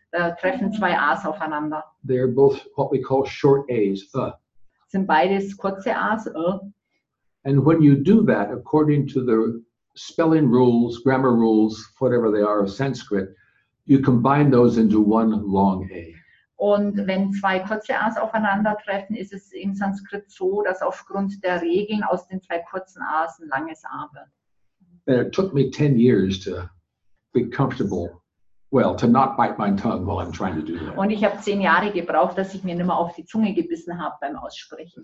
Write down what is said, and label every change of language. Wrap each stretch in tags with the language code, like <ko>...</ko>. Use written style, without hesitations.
<de>Da treffen zwei A's aufeinander.</de> <en>They're both what we call short A's.</en> <de>Sind beides kurze A's.</de> <en>And when you do that, according to the spelling rules, grammar rules, whatever they are of Sanskrit, you combine those into one long A.</en> <de>Und wenn zwei kurze A's aufeinandertreffen, ist es im Sanskrit so, dass aufgrund der Regeln aus den zwei kurzen A's ein langes A wird.</de> <en>And it took me 10 years to be comfortable, well, to not bite my tongue while I'm trying to do that.</en> <de>Und ich habe 10 Jahre gebraucht, dass ich mir nicht mehr auf die Zunge gebissen habe beim Aussprechen.</de>